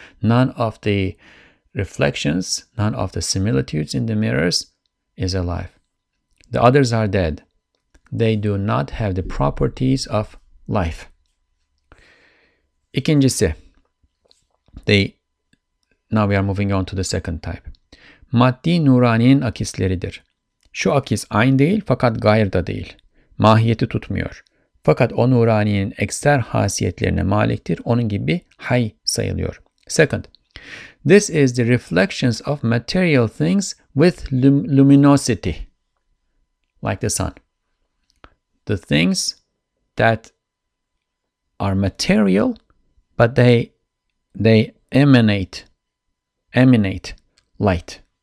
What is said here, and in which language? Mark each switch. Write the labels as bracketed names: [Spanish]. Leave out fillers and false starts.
[English] None of the reflections, none of the similitudes in the mirrors is alive. The others are dead. They do not have the properties of life. İkincisi, now we are moving on to the second type. [Turkish] Maddi nuraniyenin akisleridir. Şu akis aynı değil fakat gayr da değil. Mahiyeti tutmuyor. Fakat o nuraniyenin ekser hasiyetlerine maliktir. Onun gibi hay sayılıyor. [English] Second, this is the reflections of material things with luminosity. Like the sun. The things that are material but they emanate light.